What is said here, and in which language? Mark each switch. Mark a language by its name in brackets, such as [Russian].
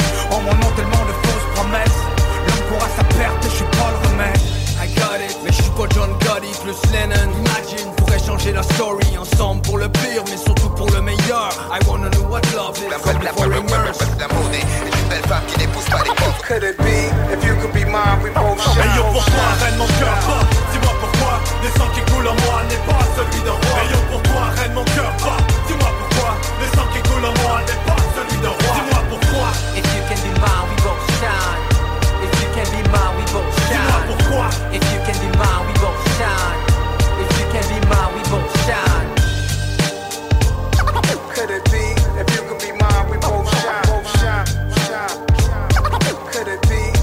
[French] En mon nom, tellement de fausses promesses. L'homme pourra sa perte et je suis pas le remède. [English] I got it, [French] mais je suis pas John Gotti, plus Lennon. Imagine, pourrais changer la [English] story [French] ensemble pour le pire, mais surtout pour le meilleur. [English] I wanna know what love is. [French] La monnaie est une belle femme qui n'épouse pas les pauvres. [English] Could it be, if you could be mine, we both shine. Hey yo, [French] pourquoi reine mon cœur bat? Dis-moi pourquoi, le sang qui coule en moi n'est pas celui d'un roi. [English] Hey yo, [French] pourquoi reine mon cœur bat? Dis-moi pourquoi, le sang qui coule en moi n'est pas celui d'un roi. Dis-moi pourquoi, [English] if you can be mine, we both shine. If you can be mine, we both shine. If you can be mine, we both shine. Could it be? If you could be mine, we both shine. Both shine, shine. Could it be?